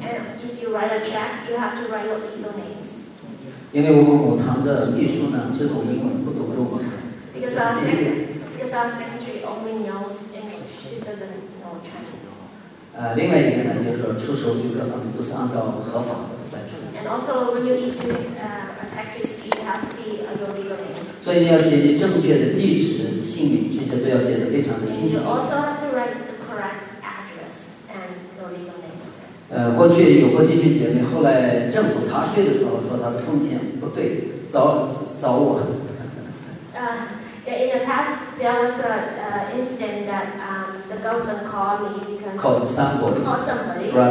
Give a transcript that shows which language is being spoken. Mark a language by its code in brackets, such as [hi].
[en] And if you write a check, you have to write your legal names. [zh] 因为我们母堂的秘书呢，只懂英文，不懂中文。 [en] Because our secretary only knows English, she doesn't know Chinese. [zh] 另外一个呢，就是出收据各方面都是按照合法的来出。 [en] And also, when you just a tax receipt, has to be your legal name. [zh] 所以你要写你证据的地址、姓名，这些都要写得非常的清楚。 [en] And you also have to write the correct address and your legal name. [zh] 过去有过地区姐妹，后来政府查税的时候说她的奉献不对，找我。 [en] In the past, there was an incident that the government called me So we want you to